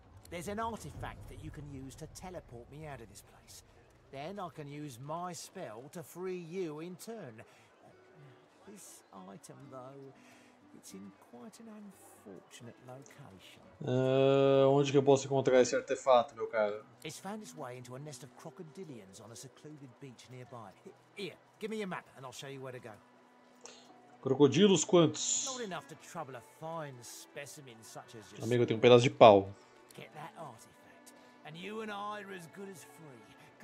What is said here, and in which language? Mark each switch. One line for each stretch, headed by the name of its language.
English: There's an artifact that you can use to teleport me out of this place. Then I can use my spell to free you in turn. This item, though, it's in quite an unfortunate location.
Portuguese: Onde que eu posso encontrar esse artefato, meu cara?
English: It's found its way into a nest of crocodilians on a secluded beach nearby. Here, give me your map and I'll show you where to go.
Portuguese: Crocodilos quantos?
English: Not enough to trouble a fine specimen such as yourself.
Portuguese: Amigo, eu tenho um pedaço de pau.
English: Get that artifact, and you and I are as good as free.